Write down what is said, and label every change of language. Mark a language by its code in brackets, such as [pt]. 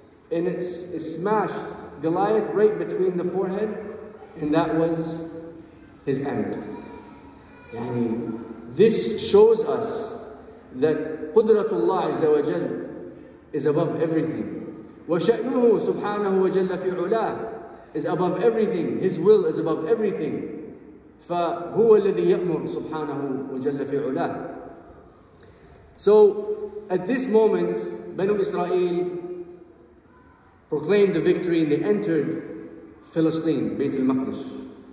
[en] And it smashed Goliath right between the forehead, and that was his end. Yani, this shows us that Qudratullah Azza wa Jal is above everything. [ar] وَشَأْنُهُ سُبْحَانَهُ وَجَلَّ فِي عُلَاهُ [en] is above everything. His will is above everything. [ar] فَهُوَ الَّذِي يَأْمُرُ سُبْحَانَهُ وَجَلَّ فِي عُلَاهُ. [en] So at this moment, Banu Israel proclaimed the victory and they entered Philistine, Bayt al-Maqdis.